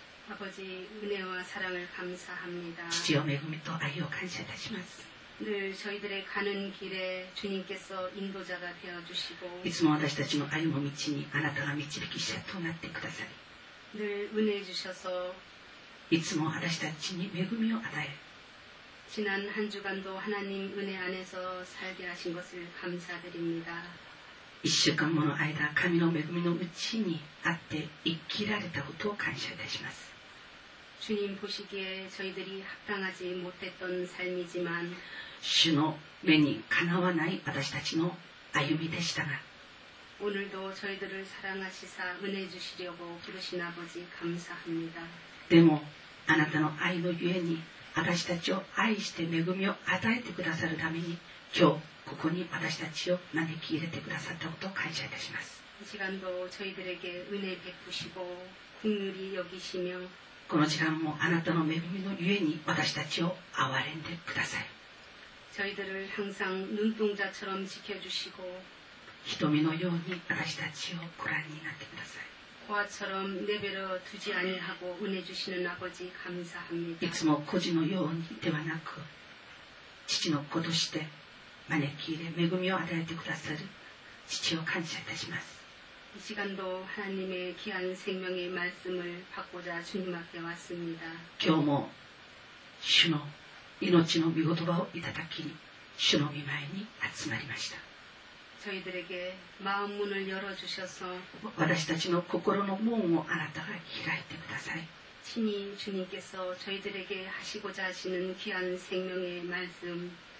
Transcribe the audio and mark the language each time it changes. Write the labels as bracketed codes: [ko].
[ko] 아버지은혜와사랑을감사합니다 [ja] 父よ恵みと愛を感謝いたします。 [ko] 늘저희들의가는길에주님께서인도자가되어주시고 [ja] いつも私たちの歩む道にあなたが導き者となってください。 [ko] 늘은혜주셔서 [ja] いつも私たちに恵みを与え [ko] 지난한주간도하나님은혜안에서살게하신것을감사드립니다 [ja] 一週間もの間神の恵みのうちにあって生きられたことを感謝いたします。 [ko] 주님보시기에저희들이합당하지못했던삶이지만 [ja] 主の目にかなわない私たちの歩みでしたが [ko] 오늘도저희들을사랑하시사은혜주시려고부르신아버지감사합니다 [ja] でもあなたの愛のゆえに私たちを愛して恵みを与えてくださるために今日ここに私たちを招き入れてくださったことを感謝いたします。時間も [ko] 저희들에게은혜베푸시고긍휼히여기시며 [ja] この時間もあなたの恵みのゆえに私たちを憐れんでください。 [ko] 저희들을항상눈동자처럼지켜주시고 [ja] 瞳のように私たちをご覧になってください。 [ko] 고아처럼내버려두지아니하고은혜주시는아버지감사합니다 [ja] いつも孤児のようにではなく父の子として招き入れ恵みを与えてくださる父を感謝いたします。 [ko] 이시간도하나님의귀한생명의말씀을받고자주님앞에왔습니다 [ja] 今日も主の命の御言葉をいただき主の御前に集まりました。 [ko] 저희들에게마음문을열어주셔서 [ja] 私たちの心の門をあなたが開いてください。 [ko] 친히주님께서저희들에게하시고자하시는귀한생명의말씀